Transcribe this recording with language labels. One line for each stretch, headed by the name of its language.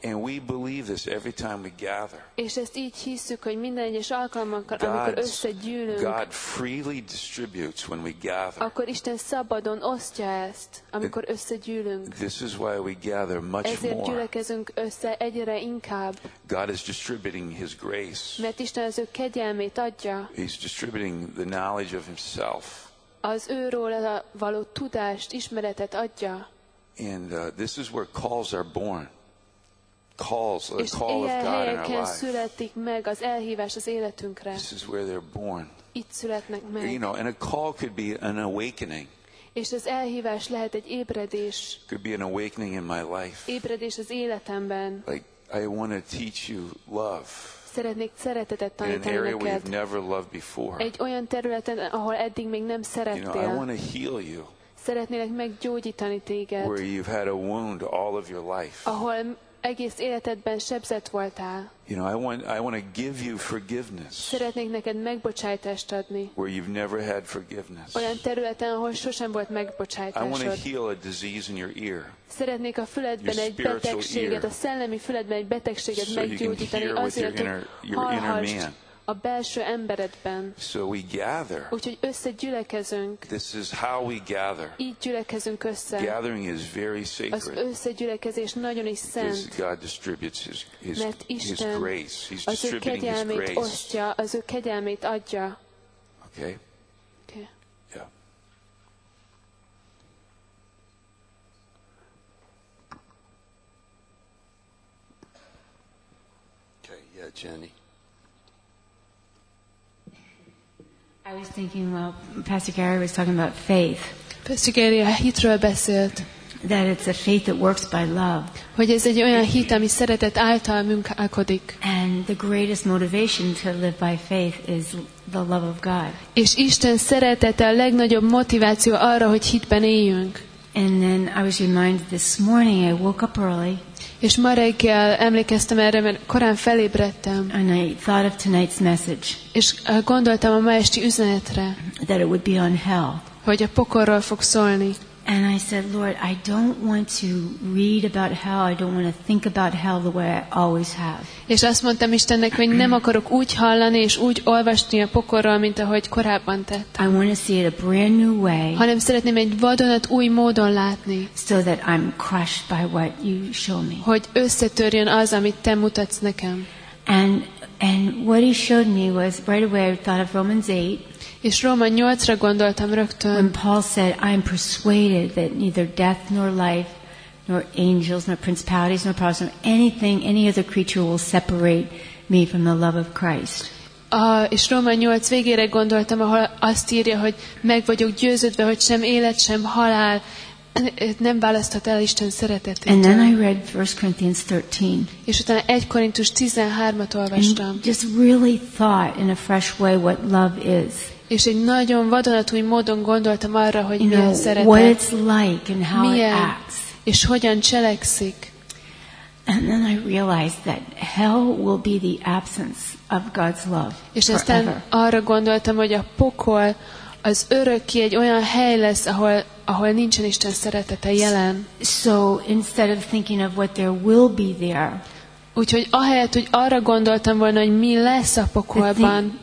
English: And we believe this every time we gather.
Hungarian: És ezt így hisszük, hogy minden egyes alkalommal, amikor összegyűlünk.
English: God freely distributes when we gather.
Hungarian: Akkor Isten szabadon osztja ezt, amikor összegyűlünk.
English: This is why we gather much more.
Hungarian: Ezért gyülekezünk össze egyre inkább.
English: God is distributing His grace.
Hungarian: Mert Isten az ő kegyelmét adja.
English: He's distributing the knowledge of Himself.
Hungarian: Az őről való tudást, ismeretet adja.
English: And this is where calls are born. Calls, a call of God in our life.
Hungarian: És ilyen helyeken születik meg az elhívás az életünkre.
English: This is where they're born.
Hungarian: Itt születnek meg.
English: You know, and a call could be an awakening.
Hungarian: És az elhívás lehet egy ébredés.
English: Could be an awakening in my life.
Hungarian: Ébredés az életemben.
English: Like, I want to teach you love.
Hungarian: Szeretnék szeretetet tanítani neked. Egy olyan területen, ahol eddig még nem szerettél.
English: You know, I want to heal you.
Hungarian: Szeretnélek meggyógyítani téged.
English: Where you've had a wound all of your life.
Hungarian: Ahol egész életedben sebzett voltál.
English: You know, I want to give you forgiveness.
Hungarian: Szeretnék neked megbocsátást adni.
English: Where you've never had forgiveness.
Hungarian: Olyan területen, ahol sosem volt megbocsátásod.
English: I want to heal a disease in your ear.
Hungarian: Szeretnék a füledben egy betegséget, a szellemi füledben egy betegséget meggyógyítani azért, hogy hallhassd a belső emberedben.
English: So we gather.
Hungarian: Úgyhogy összegyülekezünk.
English: This is how we gather.
Hungarian: Így gyülekezünk össze.
English: Gathering is very sacred.
Hungarian: Az összegyülekezés nagyon is szent.
English: Because God distributes his grace. He's
Hungarian: az ő kegyelmét
English: grace.
Hungarian: Osztja, az ő kegyelmét adja. Okay. Okay. Yeah. Okay, yeah, Jenny.
English: I was thinking, well, Pastor Gary was talking about faith.
Hungarian: Pastor Gary a hitről beszélt.
English: That it's a faith that works by love.
Hungarian: Hogy ez egy olyan hit, ami szeretet által munkálkodik.
English: And the greatest motivation to live by faith is the love of God.
Hungarian: És Isten szeretete a legnagyobb motiváció arra, hogy hitben éljünk.
English: And then I was reminded this morning, I woke up early.
Hungarian: És ma reggel emlékeztem erre, mert korán felébredtem.
English: And I thought of tonight's message.
Hungarian: És gondoltam a ma esti üzenetre.
English: That it would be on hell.
Hungarian: Hogy a pokorról fog szólni.
English: And I said, Lord, I don't want to read about hell. I don't want to think about hell the way I always have.
Hungarian: És azt mondtam Istennek, hogy nem akarok úgy hallani és úgy olvasni a pokorról, mint ahogy korábban tettem.
English: I want to see it a brand new way.
Hungarian: Hanem szeretném egy vadonat új módon látni.
English: So that I'm crushed by what you show me.
Hungarian: Hogy összetörjön az, amit te mutatsz nekem.
English: And what he showed me was right away I thought of Romans 8.
Hungarian: És Róma 8-ra gondoltam rögtön.
English: When Paul said, I am persuaded that neither death nor life, nor angels, nor principalities, nor powers, nor anything, any other creature will separate me from the love of Christ.
Hungarian: És Róma 8 végére gondoltam, ahol azt írja, hogy meg vagyok győződve, hogy sem élet, sem halál nem választhat el Isten szeretetét.
English: And then I read 1 Corinthians 13.
Hungarian: És utána 1 Korintus 13-at olvastam.
English: And just really thought in a fresh way what love is.
Hungarian: És egy nagyon vadonatúj módon gondoltam arra, hogy
English: you
Hungarian: milyen szeretet.
English: What it's like and how
Hungarian: milyen,
English: it acts.
Hungarian: És hogyan cselekszik.
English: And then I realized that hell will be the absence of God's love.
Hungarian: És aztán arra gondoltam, hogy a pokol az örökké egy olyan hely lesz, ahol nincsen Isten szeretete jelen.
English: So instead of thinking of what there will be there,
Hungarian: úgyhogy ahelyett, hogy arra gondoltam volna, hogy mi lesz a pokolban.